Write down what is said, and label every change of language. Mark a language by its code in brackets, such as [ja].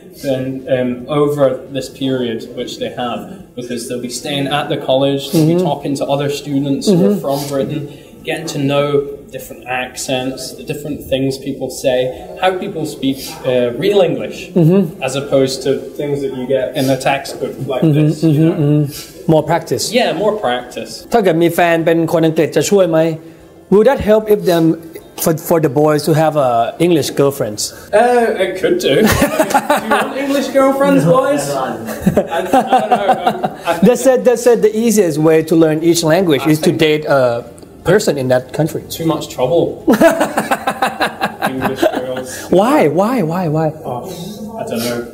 [en] Then over this period, which they have, because they'll be staying at the college, they'll be talking to other students who are from Britain, getting to know different accents, the different things people say, how people speak real English, as opposed to things that you get in a textbook like this. More practice. Yeah, more practice. [th] ถ้าเกิดมีแฟนเป็นคนอังกฤษจะช่วยไหม [en] Would that help if them for the boys to have a English girlfriends? It could do. Do you want English girlfriends, boys? I don't know. They said the easiest way to learn each language is to date a person in that country. Too much trouble. English girls. Why? Oh, I don't know.